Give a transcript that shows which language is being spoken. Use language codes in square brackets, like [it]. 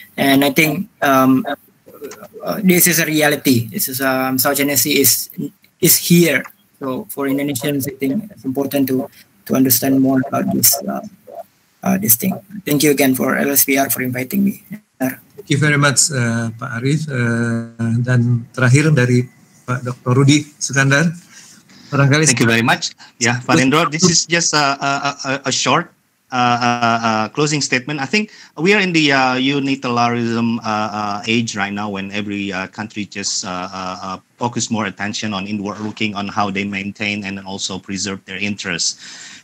[en] And I think this is a reality. This is South China Sea is here. So for Indonesians, I think it's important to understand more about this thing. Thank you again for LSPR for inviting me. Thank you very much, Pak Arif. [id] Dan terakhir dari Pak Dr. Rudy Sukandar. Barangkali. [en] Thank you very much. Yeah, Valendro, this is just a short closing statement. I think we are in the unilateralism age right now, when every country just focus more attention on inward looking, on how they maintain and also preserve their interests.